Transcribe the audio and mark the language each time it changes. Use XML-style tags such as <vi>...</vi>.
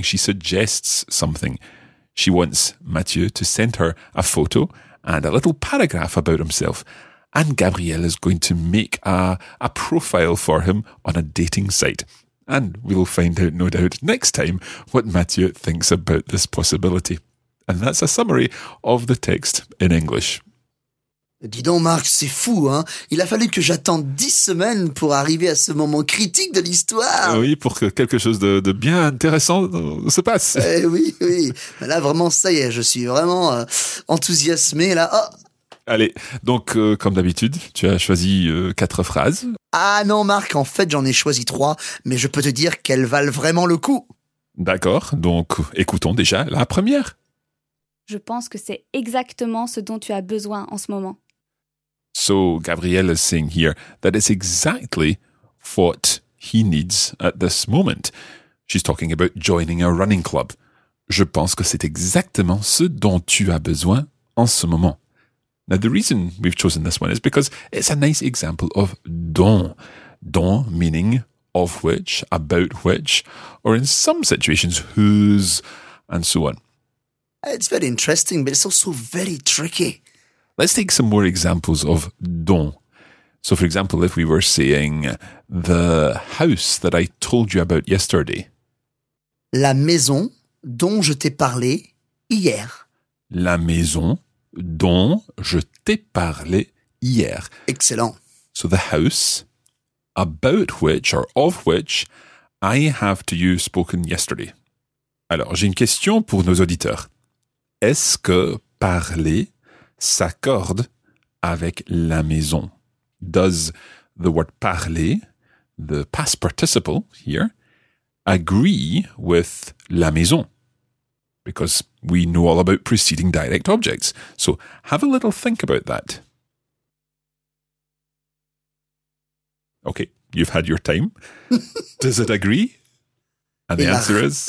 <en>She suggests something. She wants Mathieu to send her a photo and a little paragraph about himself. And Gabrielle is going to make a profile for him on a dating site. And we'll find out, no doubt, next time what Mathieu thinks about this possibility. And that's a summary of the text in English.</en> <fr>Dis donc, Marc, c'est fou, hein? Il a fallu que j'attende 10 semaines pour arriver à ce moment critique de l'histoire. Oui, pour que quelque chose de bien intéressant se passe. Oui. Là, vraiment, ça y est, je suis vraiment enthousiasmé, là. Oh. Allez, donc, comme d'habitude, tu as choisi 4 phrases. Ah non, Marc, en fait, j'en ai choisi 3, mais je peux te dire qu'elles valent vraiment le coup. D'accord, donc, écoutons déjà la première. Je pense que c'est exactement ce dont tu as besoin en ce moment.</fr> <en>So, Gabrielle is saying here that it's exactly what he needs at this moment. She's talking about joining a running club.</en> <fr>Je pense que c'est exactement ce dont tu as besoin en ce moment.</fr> <en>Now, the reason we've chosen this one is because it's a nice example of dont. Dont meaning of which, about which, or in some situations, whose, and so on. It's very interesting, but it's also very tricky. Let's take some more examples of dont. So, for example, if we were saying the house that I told you about yesterday.</en> <fr>La maison dont je t'ai parlé hier. La maison dont je t'ai parlé hier.</fr> <en>Excellent. So, the house about which or of which I have to you spoken yesterday.</en> <fr>Alors, j'ai une question pour nos auditeurs. Est-ce que parler s'accorde avec la maison?</fr> <en>Does the word parler, the past participle here, agree with la maison, because we know all about preceding direct objects. So have a little think about that. Okay, you've had your time. Does it agree? And the answer is...</en>